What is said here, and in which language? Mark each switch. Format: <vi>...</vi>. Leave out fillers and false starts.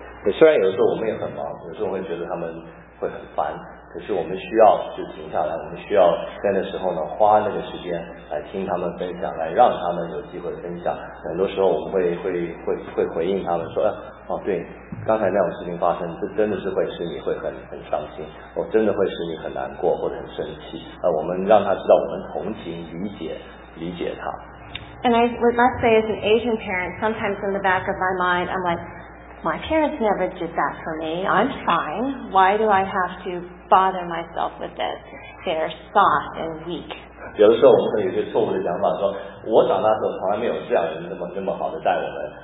<zh>对，虽然有时候我们也很忙，有时候会觉得他们会很烦，可是我们需要就停下来，我们需要在那时候呢，花那个时间来听他们分享，来让他们有机会分享。很多时候我们会回应他们说，哦，对，刚才那种事情发生，这真的是会使你会很伤心，哦，真的会使你很难过或者很生气。我们让他知道我们同情理解。理解他。</zh> <en>And I would must say, as an Asian parent, sometimes in the back of my mind, I'm like, my parents never did that for me. I'm fine. Why do I have to bother myself with this? They're soft and weak.</en> <zh>有的时候我们会有些错误的想法，说我长大的时候从来没有这样那么好的待我们。</zh>